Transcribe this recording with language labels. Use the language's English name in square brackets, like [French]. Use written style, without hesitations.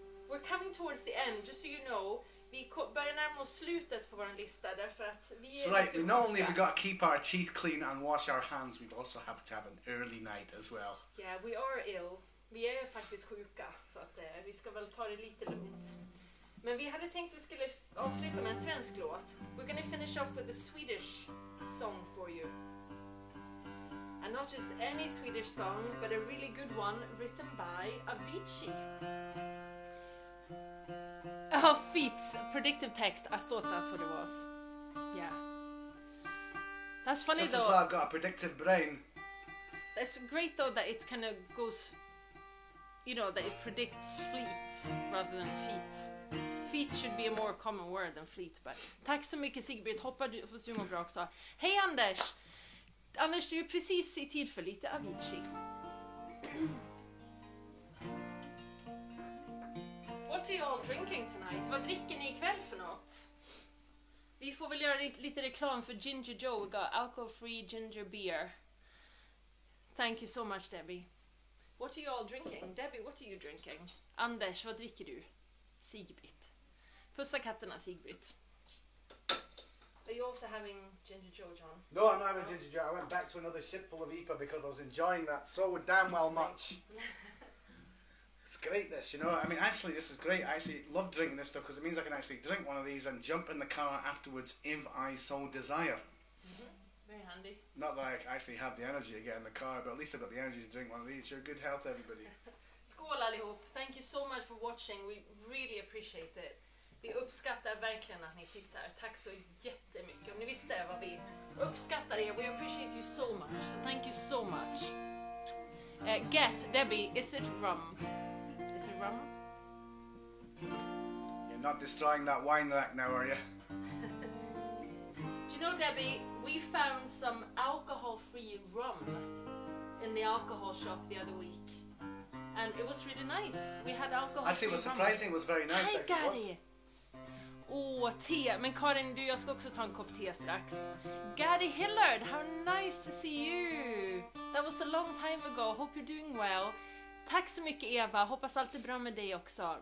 [English] We're coming towards the end, just so you know. [Swedish] Vi börjar närma oss slutet på vår lista, därför att vi är... [English] So right, we not only have we got to keep our teeth clean and wash our hands, we also have to have an early night as well. Yeah, we are ill. [Swedish] Vi är faktiskt sjuka, så att vi ska väl ta det lite lugnt. Men vi hade tänkt att vi skulle avsluta med en svensk låt. [English] We're gonna finish off with a Swedish song for you. And not just any Swedish song, but a really good one written by Avicii. Oh, feet, predictive text. I thought that's what it was. Yeah. That's funny just though. Just as well, I've got a predictive brain. That's great though that it kind of goes, you know, that it predicts fleet rather than feet. Feet should be a more common word than fleet, but. [Swedish] Tack så mycket Sigbjörn, hoppas du mår bra också. Hej Anders! Anders, du är precis i tid för lite Avicii. [English] What are you all drinking tonight? [Swedish] Vad dricker ni ikväll för något? Vi får väl göra lite reklam för Ginger Joe. [English] We got alcohol-free ginger beer. Thank you so much, Debbie. What are you all drinking? Debbie, what are you drinking? [Swedish] Anders, vad dricker du? Sigbritt. Pussa katterna, Sigbritt. [English] Are you also having Ginger Joe, John? No, I'm not having Ginger Joe. I went back to another ship full of IPA because I was enjoying that so damn well much. It's great this, you know, I mean, actually this is great. I actually love drinking this stuff because it means I can actually drink one of these and jump in the car afterwards if I so desire. Mm-hmm. Very handy. Not that I actually have the energy to get in the car, but at least I've got the energy to drink one of these. Your good health, everybody. [Swedish] Skål allihop. [English] Thank you so much for watching. We really appreciate it. [Swedish] Vi uppskattar verkligen att ni tittar. Tack så jättemycket. Om ni visste vad vi uppskattar er. [English] We appreciate you so much. So thank you so much. Guess, Debbie, is it rum? You're not destroying that wine rack now, are you? Do you know, Debbie, we found some alcohol-free rum in the alcohol shop the other week. And it was really nice. We had alcohol-free rum. Actually, it was surprising. It was very nice. Hey, Gary. Oh, tea. [Swedish] Men Karin, du, jag ska också ta en kopp te strax. [English] Gary Hillard, how nice to see you. That was a long time ago. Hope you're doing well. [Swedish] Tack så mycket Eva, hoppas allt är bra med dig också.